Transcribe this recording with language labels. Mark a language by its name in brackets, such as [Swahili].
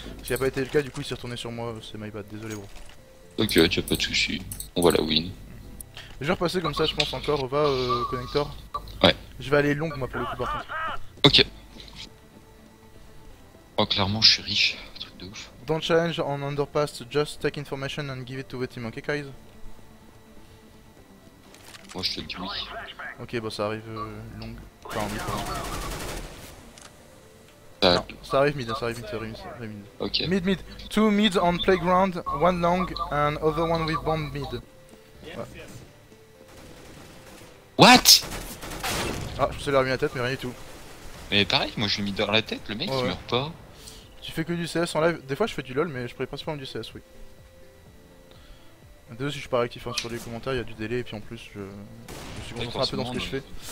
[French] Ce qui a pas été le cas, du coup il s'est retourné sur moi, c'est [English] my bad, [French] désolé bro. Ok, tu as pas de soucis, on va la win. Je vais repasser comme ça je pense encore, va connector. Ouais. Je vais aller long moi pour le coup par contre. Ok. Oh clairement je suis riche, truc de ouf. [English] Don't challenge on underpass, just take information and give it to the team, ok guys? [French] Moi je te dis oui. Ok, bon, ça arrive long. Enfin, mid. Non, ça arrive mid, Ok. Mid. [English] Two mid on playground, one long and other one with bomb mid. [French] Ouais. [English] What? [French] Ah, je me suis remis la tête, mais rien du tout. Mais pareil, moi je l'ai mis dans la tête, le mec ouais. Il meurt pas. Tu fais que du CS en live. Des fois je fais du LOL, mais je prépare principalement du CS, oui. Deux, si je suis pas réactif hein, sur les commentaires, il y a du délai et puis en plus je suis concentré un peu dans ce que je fais.